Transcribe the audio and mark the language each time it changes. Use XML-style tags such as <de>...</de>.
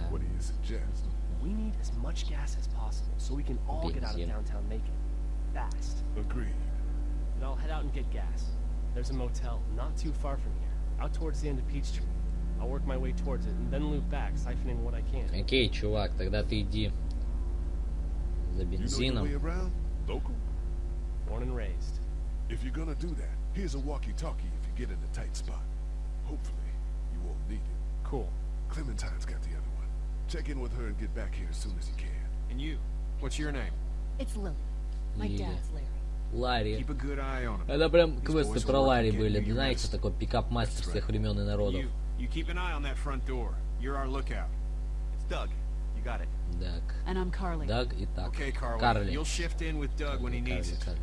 <en>What do you suggest? We need as much gas as possible so we can all get out of downtown Macon. Fast. Agreed. And I'll head out and get gas. There's a motel not too far from here, out towards the end of Peachtree. I'll work my way towards it and then loop back, siphoning what I can.</en> <ru>Окей, чувак, тогда ты иди за бензином.</ru> <en>Local? Born and raised. If you're gonna do that, here's a walkie-talkie if you get in a tight spot. Hopefully, you won't need it. Cool. Clementine's got the other one. Check in with her and get back here as soon as you can. And you, what's your name? It's Lily. My dad's Larry.</en> <ru>Ларри. Это прям квесты про Ларри были, знаете, такой пикап мастер всех времен и народов.</ru> <en>You keep an eye on that front door. You're our lookout. It's Doug. You got it. Doug. And I'm Carly.</en> <ru>Doug и так.</ru> <en>Okay, Carly. You'll shift in with Doug when he needs it.</en>